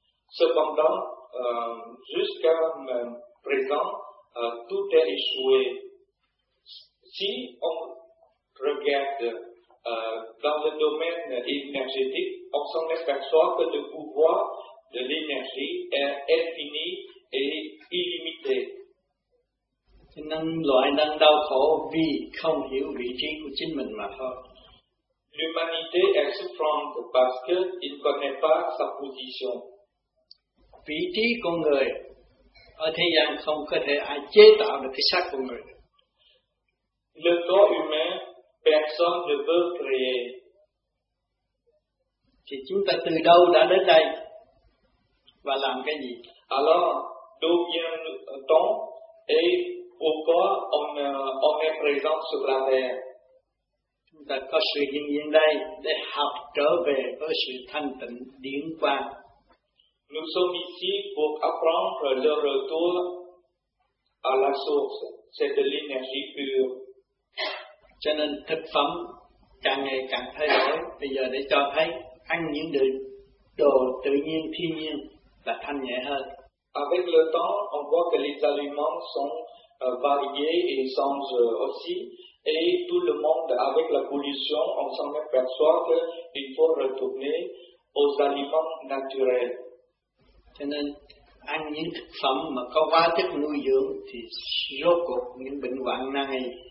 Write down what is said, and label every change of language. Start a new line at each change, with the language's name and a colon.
French: Cependant, jusqu'à présent, tout est échoué. Si on regarde dans le domaine énergétique, on s'en aperçoit que le pouvoir de l'énergie est infini et illimité.
Vietnamese: Nhân loại đang đau khổ vì không hiểu vị trí của chính mình mà thôi.
French: L'humanité est souffrante parce qu'il ne connaît pas sa position.
Vietnamese: Vị trí con người ở thế gian không có thể ai chế tạo được cái xác của người.
French: Le corps humain, personne ne veut créer.
Vietnamese: Thì chúng ta từ đâu đã đến đây và làm cái gì?
French: Alors, d'où vient-on et pourquoi on est présent sur la terre?
Vietnamese: Chúng ta có sự hiện diện đây để học trở về với sự thanh tịnh điển quang.
French: Nous sommes ici pour apprendre le retour à la source, c'est de l'énergie pure.
Vietnamese: Cho nên thực phẩm càng ngày càng thay đổi. Bây giờ để cho thấy ăn những đồ tự nhiên, thiên nhiên là thanh nhẹ hơn.
French: Avec le temps, on voit que les aliments sont variés et sans aussi. Et tout le monde, avec la pollution, on s'en aperçoit qu'il faut retourner aux aliments naturels.
Vietnamese: Cho nên, ăn những thực phẩm mà có hóa chất nuôi dưỡng thì rốt cuộc những bệnh hoạn nan y.